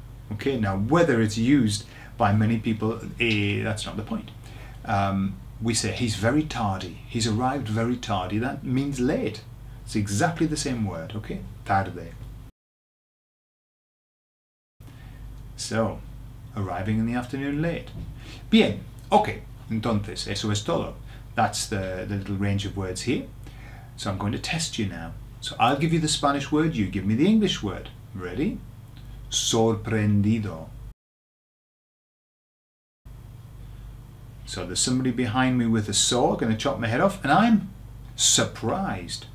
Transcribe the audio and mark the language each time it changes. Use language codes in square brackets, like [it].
[en] Okay, now whether it's used by many people, that's not the point. We say he's very tardy, he's arrived very tardy, that means late. It's exactly the same word, okay? Tarde. So, arriving in the afternoon late. [es] Bien, okay, entonces, eso es todo. [en] That's the little range of words here. So I'm going to test you now. So I'll give you the Spanish word, you give me the English word. Ready? [es] Sorprendido. [en] So there's somebody behind me with a saw, going to chop my head off, and I'm surprised.